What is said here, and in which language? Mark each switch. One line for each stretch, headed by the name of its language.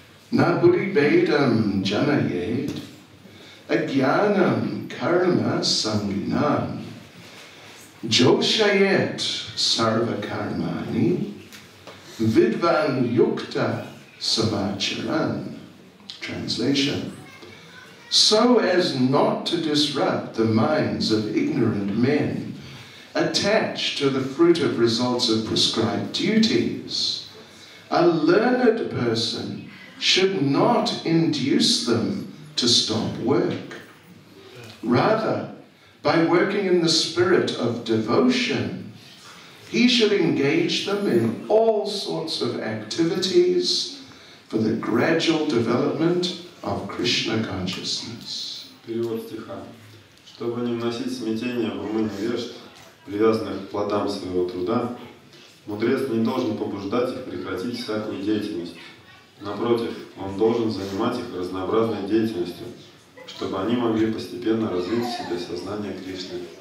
Sanskrit: На буддхибедам джанает агьянам карма сангинам джошает сарва кармани видван юкта Savacharan.
English: Translation. So as not to disrupt the minds of ignorant men attached to the fruit of results of prescribed duties, a learned person should not induce them to stop work. Rather, by working in the spirit of devotion, he should engage them in all sorts of activities for the gradual development of Krishna consciousness.
Russian: Перевод стиха. Чтобы не вносить смятение в умы невежд, привязанных к плодам своего труда, мудрец не должен побуждать их прекратить всякую деятельность. Напротив, он должен занимать их разнообразной деятельностью, чтобы они могли постепенно развить в себе сознание Кришны.